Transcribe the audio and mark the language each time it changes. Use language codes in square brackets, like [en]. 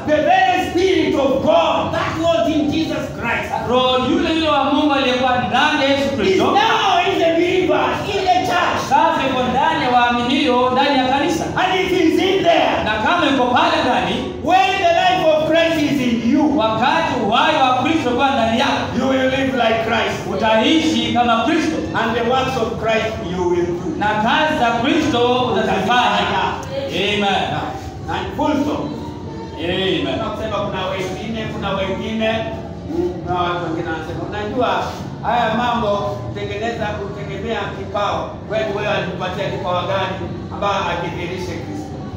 [en] The very spirit of God that was in Jesus Christ. [sw] Roho yule yule wa Mungu aliyekuwa ndani ya Yesu Kristo. [en] Now in the believer, in the church. [sw] Sasa yuko ndani waaminio ndani ya kanisa. [en] And it is in there. [sw] Na kama yuko pale ndani, [en] when the life of Christ is in you. [sw] Wakati uhai wa Kristo kwa ndani yako. [en] You will live like Christ. [sw] Utaishi kama Kristo. [en] And the works of Christ you will do. [sw] Na kazi za Kristo utazifanya. Amen. Na fulso. Amen. Nasema kuna wengine na watu wengine wanasema unajua haya mambo tengeneza kutegemea kipao wewe alikupatia kipao gani ambao akidhihirishe Kristo.